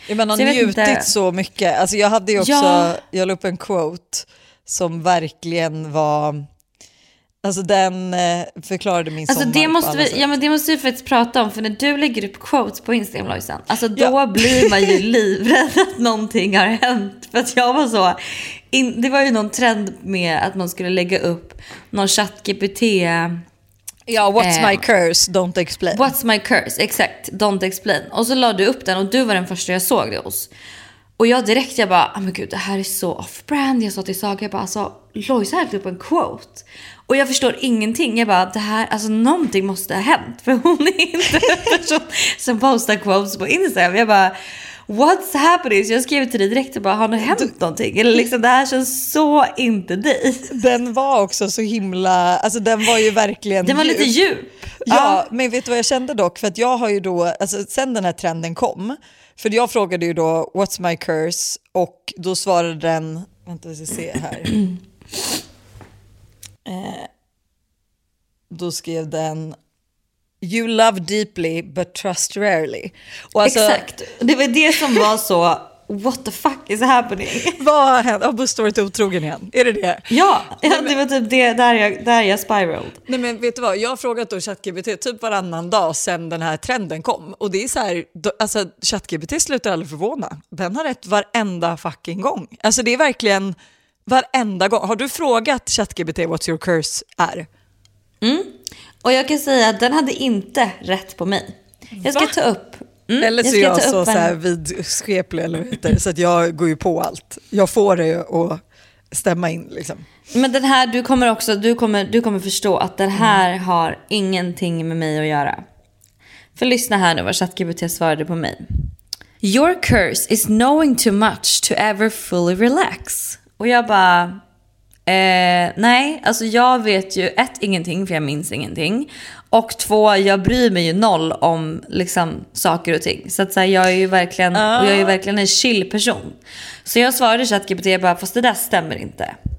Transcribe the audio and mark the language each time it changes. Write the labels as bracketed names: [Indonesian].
[Swedish] Ja, men har njutit inte så mycket. Alltså jag hade ju också, jag la upp en quote som verkligen var, alltså den förklarade min sommar. Alltså det måste vi, ja men det måste vi faktiskt prata om. För när du lägger upp quotes på Instagram, Lojsan, alltså då blir man ju livrädd att någonting har hänt. För att jag var så, det var ju någon trend med att man skulle lägga upp någon ChatGPT. [English] Ja, what's my curse, don't explain. What's my curse, [Swedish] exakt, [English] don't explain. [Swedish] Och så la du upp den och du var den första jag såg det hos. Och jag direkt, jag bara, [English] oh my god, [Swedish] det här är så off-brand. Jag sa till Saga, jag bara, alltså, Lojsa hällde upp en quote. Och jag förstår ingenting. Jag bara, det här, alltså någonting måste ha hänt. För hon är inte en person som postar quotes på Instagram. Jag bara, [English] what's happening? [Swedish] Så jag skrev till dig direkt och bara, har det hänt någonting? Eller liksom, det här känns så inte dig. Den var också så himla, alltså den var ju verkligen... Den var lite djup. Ja, men vet du vad jag kände dock? För att jag har ju då, alltså sen den här trenden kom, för jag frågade ju då, [English] what's my curse? [Swedish] Och då svarade den, vänta, vi ska se här. Då skrev den, [English] you love deeply but trust rarely. [Swedish] Och alltså, exakt, det var det som var så, [English] what the fuck is happening? [Swedish] Vad har hänt? Har Bustorit otrogen igen? Är det det? Ja, ja, det var typ det, där jag spiraled. Nej men vet du vad, jag har frågat då ChatGPT typ varannan dag sedan den här trenden kom. Och det är så här, alltså ChatGPT slutar aldrig förvåna. Den har rätt varenda fucking gång. Alltså det är verkligen varenda gång. Har du frågat ChatGPT [English] what your curse [Swedish] är? Mm. Och jag kan säga att den hade inte rätt på mig. Jag ska ta upp. Mm, eller så jag så här vidskeplig eller heter, så att jag går ju på allt. Jag får det att stämma in liksom. Men den här du kommer också du kommer förstå att den här har ingenting med mig att göra. För lyssna här nu vad ChatGPT svarade på mig. [English] Your curse is knowing too much to ever fully relax. [Swedish] Och jag bara nej, alltså jag vet ju ett, ingenting, för jag minns ingenting. Och två, jag bryr mig ju noll om liksom saker och ting. Så att säga, jag är ju verkligen och jag är ju verkligen en chill person. Så jag svarade ChatGPT bara, fast det där stämmer inte.